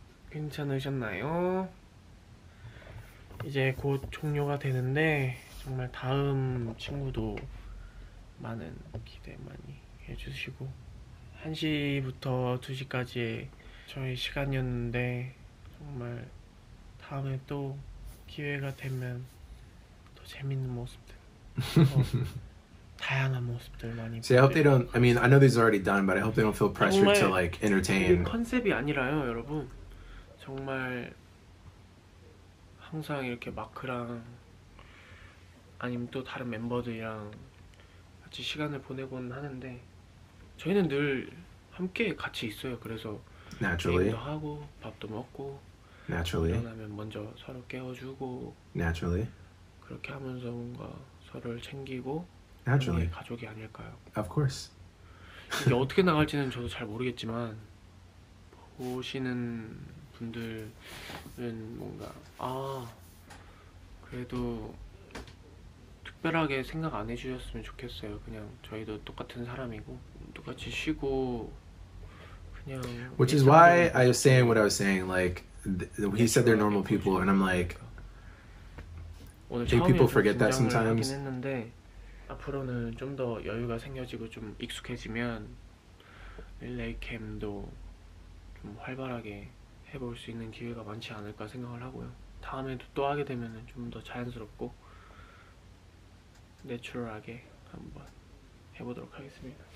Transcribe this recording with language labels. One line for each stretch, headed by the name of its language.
Korean: 괜찮으셨나요? 이제 곧 종료가 되는데 정말 다음 친구도 많은 기대 많이 해주시고 1시부터 2시까지의 저희 시간이었는데 정말 다음에 또 기회가 되면 더 재밌는 모습들 다양한 모습들 많이
English: See, I hope they don't, I mean, I know these are already done, but I hope they don't feel pressured to like entertain
Korean: 정말 컨셉이 아니라요, 여러분 정말 항상 이렇게 마크랑 아니면 또 다른 멤버들이랑 같이 시간을 보내곤 하는데 저희는 늘 함께 같이 있어요. 그래서
English: Naturally.
Korean: 게임도 하고 밥도 먹고
English: Naturally.
Korean: 일어나면 먼저 서로 깨워주고
English: Naturally.
Korean: 그렇게 하면서 뭔가 서로를 챙기고
English: Naturally.
Korean: 그게 가족이 아닐까요?
English: Of course.
Korean: 이게 어떻게 나갈지는 저도 잘 모르겠지만 보시는 분들은 뭔가 아 그래도 특별하게 생각 안 해주셨으면 좋겠어요. 그냥 저희도 똑같은 사람이고 똑같이 쉬고 그냥
English: Which is why I was saying what I was saying. Like he said they're normal people, and I'm like, Do people forget that sometimes?
Korean: 했는데, 앞으로는 좀 더 여유가 생겨지고 좀 익숙해지면 릴레이 캠도 좀 활발하게 해볼 수 있는 기회가 많지 않을까 생각을 하고요. 다음에도 또 하게 되면 좀 더 자연스럽고 내추럴하게 한번 해보도록 하겠습니다.